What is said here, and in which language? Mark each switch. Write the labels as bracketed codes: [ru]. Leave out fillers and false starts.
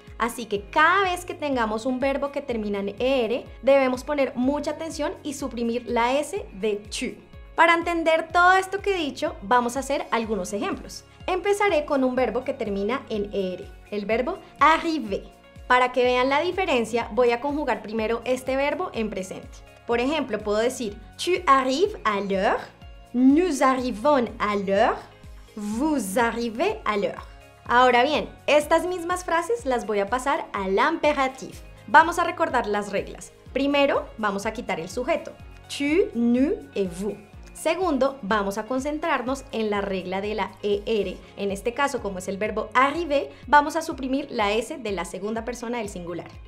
[es] Así que cada vez que tengamos un verbo que termina en ER, debemos poner mucha atención y suprimir la S de tu. Para entender todo esto que he dicho, vamos a hacer algunos ejemplos. Empezaré con un verbo que termina en ER, el verbo arriver. Para que vean la diferencia, voy a conjugar primero este verbo en presente. Por ejemplo, puedo decir [fr] tu arrives à l'heure, [es] nous arrivons à l'heure, vous arrivez à l'heure. Ahora bien, estas mismas frases las voy a pasar al imperativo. Vamos a recordar las reglas. Primero, vamos a quitar el sujeto. [fr] Tu, nous et vous. [es] Segundo, vamos a concentrarnos en la regla de la ER. En este caso, como es el verbo arriver, vamos a suprimir la S de la segunda persona del singular.